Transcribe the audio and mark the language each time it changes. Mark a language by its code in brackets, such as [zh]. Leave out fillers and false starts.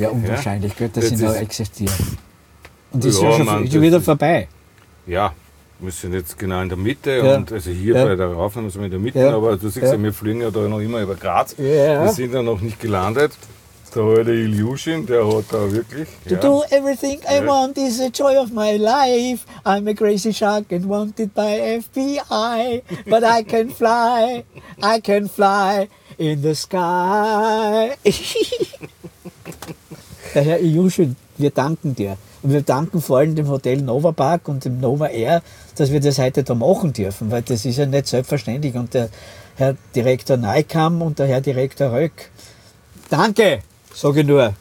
[de] Ja, unwahrscheinlich, gut, dass sie noch existieren. Und das ist ja schon wieder vorbei. Ja, wir sind jetzt genau in der Mitte, und also hier bei der Aufnahme sind wir in der Mitte, aber du siehst wir fliegen ja da noch immer über Graz. Ja. Wir sind ja noch nicht gelandet. Der alte Illusion, der hat da wirklich... [en] To do everything I want is the joy of my life. I'm a crazy shark and wanted by FBI. But I can fly, I can fly in the sky. [de] Der Herr Iljuschin, wir danken dir. Und wir danken vor allem dem Hotel Nova Park und dem Nova Air, dass wir das heute da machen dürfen, weil das ist ja nicht selbstverständlich. Und der Herr Direktor Neukamm und der Herr Direktor Röck, danke, sage ich nur.